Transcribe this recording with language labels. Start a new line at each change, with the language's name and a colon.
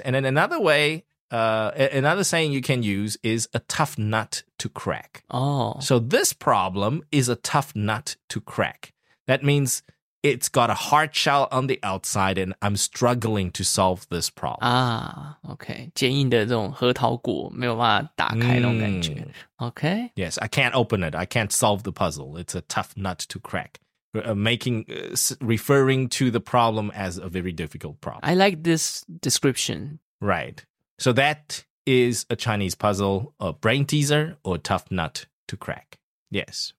English: And then another way, another saying you can use is a tough nut to crack. Oh. So this problem is a tough nut to crack. That means it's got a hard shell on the outside and I'm struggling to solve this problem. Ah, okay.
Chinese: 坚硬的这种核桃果没有办法打开那种感觉.
English: Okay. Yes, I can't open it. I can't solve the puzzle. It's a tough nut to crack. Referring to the problem as a very difficult problem. I like this description. Right. So that is a Chinese puzzle, a brain teaser, or a tough nut to crack. Yes.